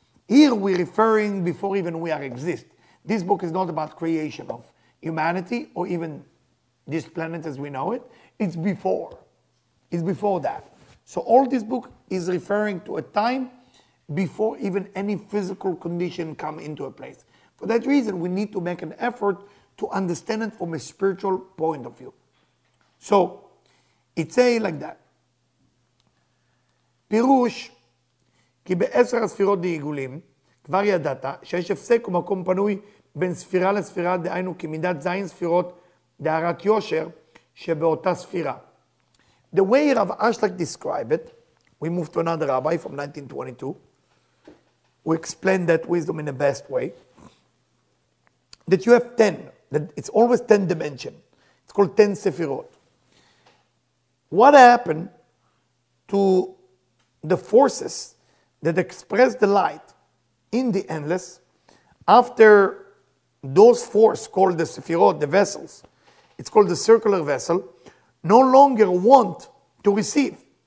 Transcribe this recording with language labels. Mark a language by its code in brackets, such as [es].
[en] Here we're referring before even we are exist. This book is not about creation of humanity or even this planet as we know it. It's before. It's before that. So all this book is referring to a time before even any physical condition come into a place. For that reason, we need to make an effort to understand it from a spiritual point of view. So it say like that. [he] Pirush, כי בעשר הספירות דעיגולים כבר ידעת שיש הפסק ומקום פנוי בין ספירה לספירה, דהיינו כמידת זין ספירות דהרת יושר שבאותה ספירה. [en] The way Rav Ashlag described it, we move to another rabbi from 1922, who explained that wisdom in the best way, that you have 10, that it's always 10 dimensions. It's called 10 sefirot. What happened to the forces that express the light in the endless after those force called the sefirot, the vessels, it's called the circular vessel, no longer want to receive.